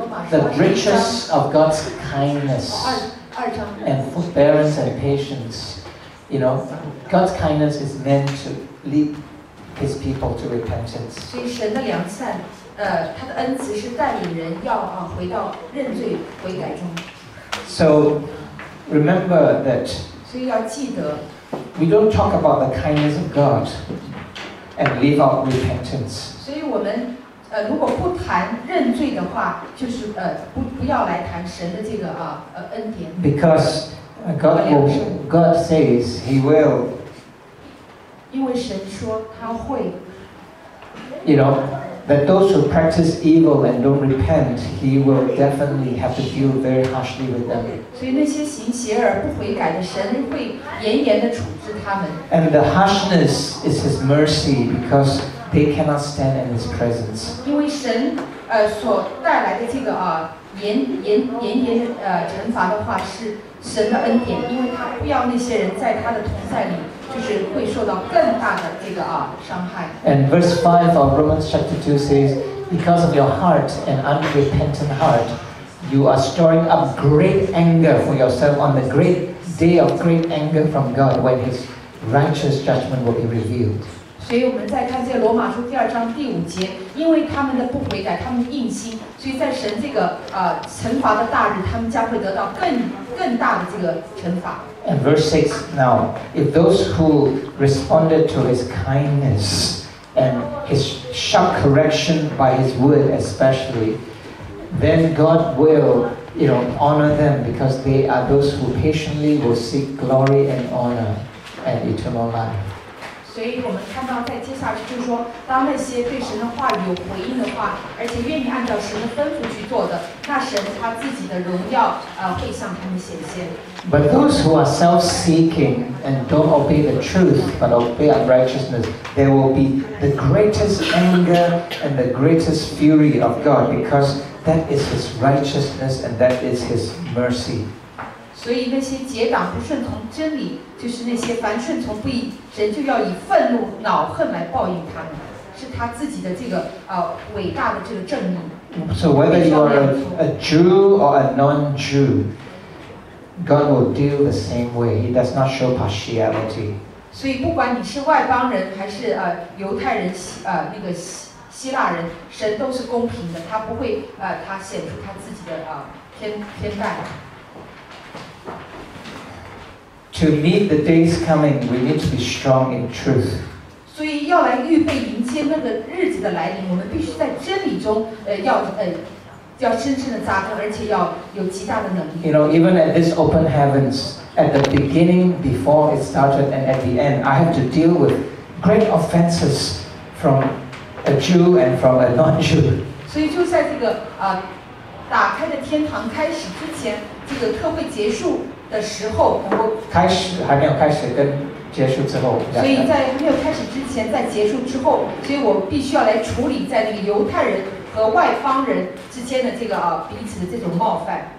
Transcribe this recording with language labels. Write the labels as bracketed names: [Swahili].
[English] The riches of God's kindness and forbearance and patience. You know, God's kindness is meant to lead. His people to repentance. [Chinese] 所以神的良善，他的恩慈是带领人要回到认罪悔改中。 [English] So remember that. [Chinese] 所以要记得。 [English] We don't talk about the kindness of God and leave out repentance. [Chinese] 所以我们如果不谈认罪的话，就是不要来谈神的这个恩典。 [English] Because God says He will. [Chinese] 因为神说他会 [English] You know, that those who practice evil and don't repent, he will definitely have to deal very harshly with them. [Chinese] 所以那些行邪而不悔改的神会严严地处置他们。 [English] And the harshness is his mercy because they cannot stand in his presence. [Chinese] 因为神所带来的这个严严惩罚的话是神的恩典，因为他不要那些人在他的同在里。 [English] And verse 5 of Romans chapter 2 says, Because of your heart and unrepentant heart, you are storing up great anger for yourself on the great day of great anger from God when His righteous judgment will be revealed. [Chinese] 所以我们再看这罗马书第二章第五节，因为他们的不悔改，他们的硬心，所以在神这个惩罚的大日，他们将会得到更大的这个惩罚。 [English] And verse 6 now, if those who responded to his kindness and his sharp correction by his word especially, then God will, you know, honor them because they are those who patiently will seek glory and honor and eternal life. [Chinese] 所以我们看到在接下去就是说当那些对神的话有回应的话而且愿意按照神的吩咐去做的那神他自己的荣耀会向他们显现。 [English] But those who are self-seeking and don't obey the truth but obey unrighteousness, there will be the greatest anger and the greatest fury of God because that is his righteousness and that is his mercy. [Chinese] 所以那些结党不顺从真理，就是那些凡顺从不义，神就要以愤怒、恼恨来报应他们，是他自己的这个伟大的这个正义。 [English] So whether you are a Jew or a non-Jew, God will deal the same way. He does not show partiality. [Chinese] 所以不管你是外邦人还是犹太人那个希腊人，神都是公平的，他不会他显出他自己的偏待。 [English] To meet the days coming, we need to be strong in truth. [Chinese] 所以要来预备迎接那个日子的来临，我们必须在真理中要深深的扎根，而且要有极大的能力。 [English] You know, even at this open heavens, at the beginning, before it started, and at the end, I have to deal with great offenses from a Jew and from a non-Jew. [Chinese] 所以就在这个打开的天堂开始之前，这个特会结束的时候，然后开始还没有开始跟结束之后，所以在没有开始之前，在结束之后，所以我必须要来处理在那个犹太人和外方人之间的这个彼此的这种冒犯。